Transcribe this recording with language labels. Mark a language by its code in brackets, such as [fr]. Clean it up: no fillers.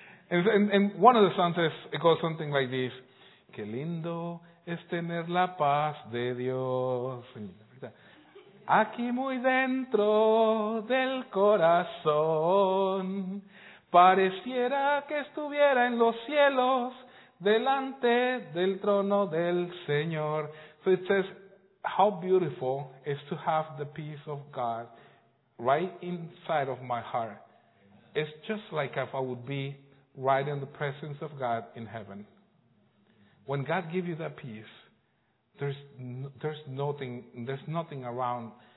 [en] And one of the songs is, it goes something like this. [es] Qué lindo es tener la paz de Dios. Aquí muy dentro del corazón. Pareciera que estuviera en los cielos delante del trono del Señor. [en] So it says, how beautiful is to have the peace of God right inside of my heart. It's just like if I would be right in the presence of God in heaven. When God gives you that peace, there's nothing around.